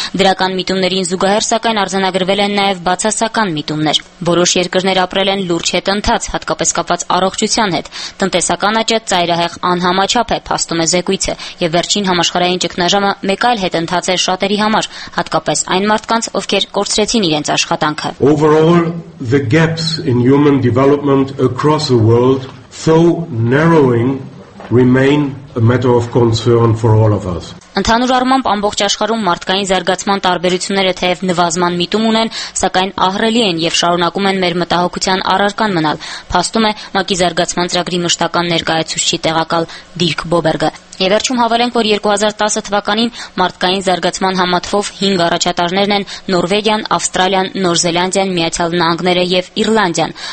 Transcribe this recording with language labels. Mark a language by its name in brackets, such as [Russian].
[Armenian] Դրական միտումներին զուգահեռ, սակայն, արձանագրվել են նաև բացասական միտումներ։ Որոշ երկրներ ապրել են լուրջ հետընթաց, հատկապես կապված առողջության հետ։ Տնտեսական աճը ծայրահեղ անհամաչափ է, փաստում է զեկույցը, և վերջին համաշխարհային ճգնաժամը մեկ այլ հետընթաց է շատերի համար, հատկապես այն մարդկանց, ովքեր կորցրեցին իրենց աշխատանքը։ [English] Overall, the gaps in human development across the world, though narrowing, remain a matter of concern for all of us. [Armenian] Ընդհանուր առմամբ ամբողջ աշխարհում մարդկային զարգացման տարբերությունները թեև նվազման միտում ունեն, սակայն ահռելի են եւ շարունակում են մեր մտահոգության առարկան մնալ, փաստում է ՄԱԿ-ի զարգացման ծրագրի մշտական ներկայացուցիչ տեղակալ Դիրք Բոբերգը։ Եվ վերջում հավելենք, որ 2010 թվականին մարդկային զարգացման համատվով 5 առաջատարներն են Նորվեգիան, Ավստրալիան, Նոր Զելանդիան, Միացյալ Նահանգները եւ Իռլանդիան։